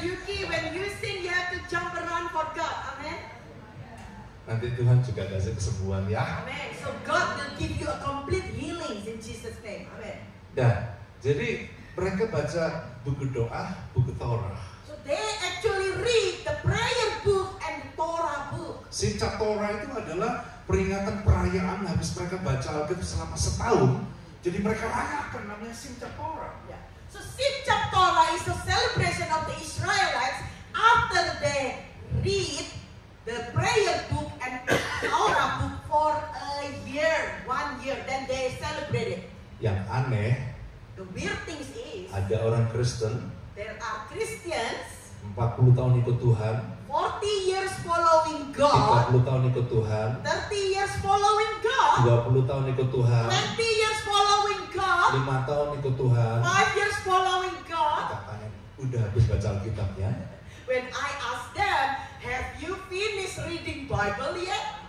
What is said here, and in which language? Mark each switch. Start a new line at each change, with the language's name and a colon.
English: Yuki, when you sing, you have to jump around for God. Amen.
Indonesian: Nanti Tuhan juga kasih kesembuhan ya.
English: Amen. So God will give you a complete healing in Jesus' name. Amen.
Indonesian: Nah, jadi mereka baca buku doa, buku Torah.
English: So they actually read the prayer book and Torah book.
Indonesian: Sincha Torah itu adalah peringatan perayaan habis mereka baca Alkitab selama setahun. Jadi mereka rayakan namanya Sincha Torah.
English: Yeah. So Sincha Torah is the celebration of the Israelites after they read the prayer book and Torah book for a year, one year, then they celebrate it.
Indonesian: Yang aneh,
English: the weird thing is,
Indonesian: ada orang Kristen,
English: there are Christians,
Indonesian: 40 tahun ikut Tuhan,
English: 40 years following God,
Indonesian: 40 tahun ikut Tuhan,
English: 30 years following God,
Indonesian: 20 tahun ikut Tuhan,
English: 20 years following God,
Indonesian: 5 tahun ikut Tuhan,
English: 5 years following God.
Indonesian: Katanya udah habis baca Alkitabnya.
English: When I ask them, have you finished reading Bible yet?